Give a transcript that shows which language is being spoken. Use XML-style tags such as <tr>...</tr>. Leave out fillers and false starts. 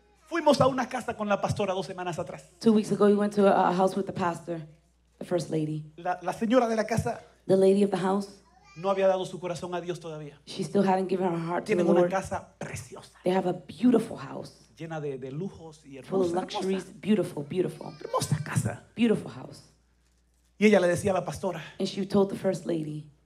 <es>Fuimos a una casa con la pastora dos semanas atrás.</es> <en>2 weeks ago we went to a house with the pastor, the first lady.</en> <es>La señora de la casa.</es> <en>The lady of the house.</en> <es>No había dado su corazón a Dios todavía.</es> <en>She still hadn't given her heart</en> <es>Tienen</es> <en>to the</en> <es>una</es> <en>Lord.</en> <es>Casa preciosa.</es> <en>They have a beautiful house.</en> <es>Llena de lujos y hermosa.</es> <en>Full of luxuries,</en> <es>hermosa.</es> <en>Beautiful.</en> <es>Hermosa casa.</es> <en>Beautiful house.</en> <es>Y ella le decía a la pastora.</es> <en>And she told the first lady.</en>